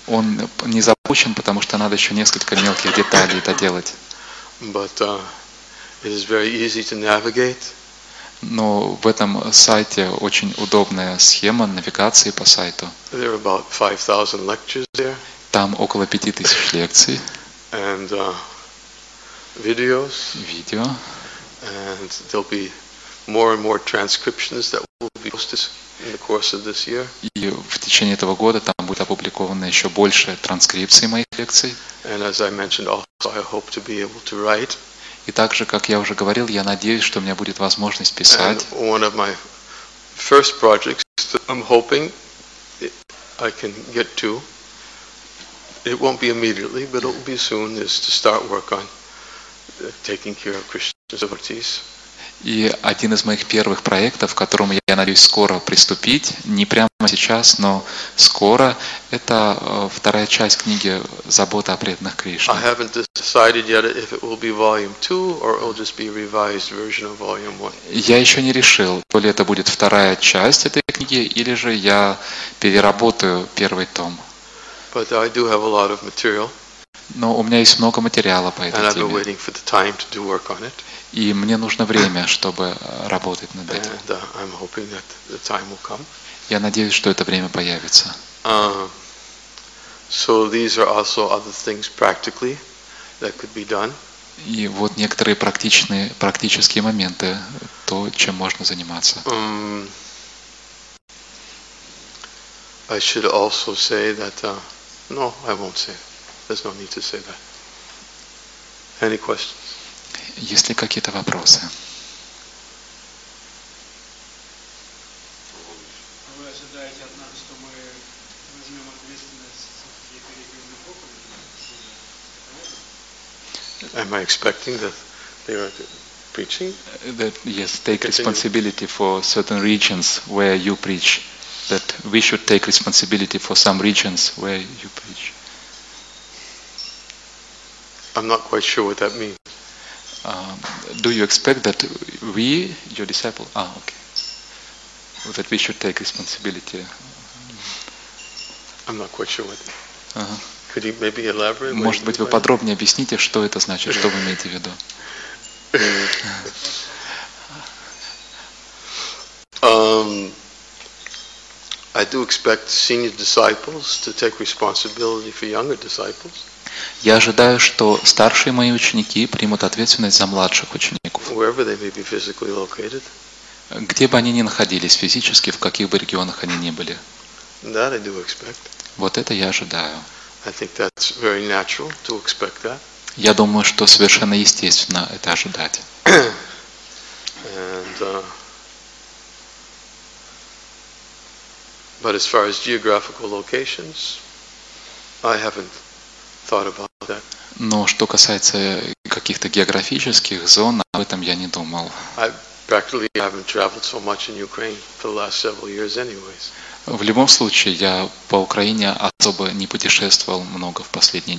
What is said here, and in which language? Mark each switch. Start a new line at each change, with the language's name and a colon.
Russian: Он не запущен, потому что надо еще несколько мелких деталей доделать.
English: But it is very easy to navigate.
Russian: Но в этом сайте очень удобная схема навигации по сайту.
English: There are about 5,000 lectures there.
Russian: Там около 5,000 лекций.
English: And videos.
Russian: Видео.
English: And there'll be more and more transcriptions that will be posted. in the course of this year.
Russian: И в течение этого года там будет опубликовано еще больше транскрипций моих лекций.
English: And as I mentioned, also I hope to be able to write.
Russian: И также, как я уже говорил, я надеюсь, что у меня будет возможность писать.
English: And one of my first projects that I'm hoping I can get to. It won't be immediately, but it will be soon, is to start work on taking care of Krishna's devotees.
Russian: И один из моих первых проектов, к которому я надеюсь скоро приступить, не прямо сейчас, но скоро, это вторая часть книги «Забота о преданных Кришне».
English: I haven't decided yet if it will be volume 2 or it'll just be a revised version of volume 1.
Russian: Я еще не решил, то ли это будет вторая часть этой книги, или же я переработаю первый том.
English: But I do have a lot of material.
Russian: Но у меня есть много материала по этой
English: And I've
Russian: теме.
English: Been waiting for the time to do work on it.
Russian: И мне нужно время, чтобы работать над этим.
English: And, I'm hoping that the time will come.
Russian: Я надеюсь, что это время появится.
English: So these are also other things practically that could be done.
Russian: И вот некоторые практические моменты, то, чем можно заниматься.
English: I should also say that no, I won't say. There's no need to say that. Any questions?
Russian: Есть ли какие-то вопросы? Вы ожидаете от нас, что мы возьмем ответственность и перейдем на проповедь?
English: Am I expecting that they are preaching? That yes, take responsibility for certain regions where you preach. That we should take responsibility for some regions where you preach. I'm not quite sure what that means. Do you expect that we, your disciple, that we should take responsibility? I'm not quite sure what that means. Could you maybe elaborate?
Russian: Может быть, вы подробнее объясните, что это значит, что вы имеете в виду?
English: I do expect senior disciples to take responsibility for younger disciples.
Russian: Я ожидаю, что старшие мои ученики примут ответственность за младших учеников.
English: Wherever they may be physically located.
Russian: Где бы они ни находились физически, в каких бы регионах они ни были.
English: That I do expect.
Russian: Вот это я ожидаю.
English: I think that's very natural to expect that.
Russian: Я думаю, что совершенно естественно это ожидать.
English: And, But as far as geographical locations, I haven't thought about that.
Russian: Но что касается каких-то географических зон, об этом я не думал.
English: I practically haven't traveled so much in Ukraine for the last several years anyways.
Russian: В любом случае, я по Украине особо не путешествовал много в последние